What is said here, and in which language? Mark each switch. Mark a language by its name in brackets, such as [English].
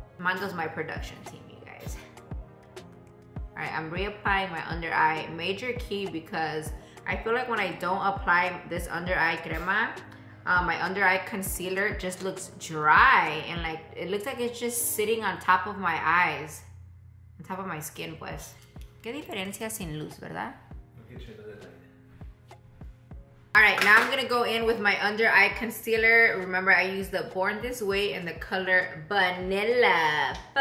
[English] Mango's my production team, you guys. All right, I'm reapplying my under eye, major key, because I feel like when I don't apply this under eye crema, my under eye concealer just looks dry and like it looks like it's just sitting on top of my eyes, on top of my skin, pues. [Spanish] ¿Qué diferencia sin luz, verdad? [English] All right, now I'm gonna go in with my under eye concealer. Remember, I used the Born This Way in the color Vanilla.